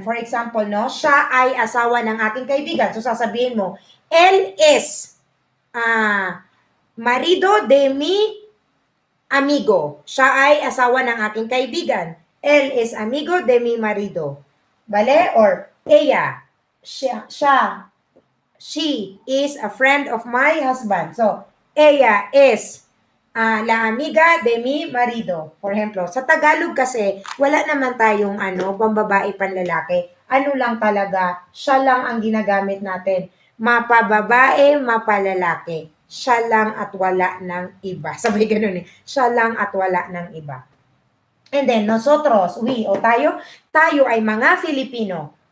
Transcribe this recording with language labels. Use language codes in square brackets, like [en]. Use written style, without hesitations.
[en] For example, [tl] no, siya ay asawa ng aking kaibigan. [es] So [tl] sasabihin mo, [es] él es marido de mi amigo. [tl] Siya ay asawa ng aking kaibigan. [es] Él es amigo de mi marido. Vale? [en] Or ella, she is a friend of my husband. [es] So ella es la amiga de mi marido. [en] For example, [tl] sa Tagalog kasi, wala naman tayong ano, pambabae, panlalaki. Ano lang talaga, siya lang ang ginagamit natin. Mapababae, mapalalaki. Siya lang at wala ng iba. Sabi ganun eh. Siya lang at wala ng iba. [en] And then, [tl] nosotros, we, o tayo, tayo ay mga Filipino.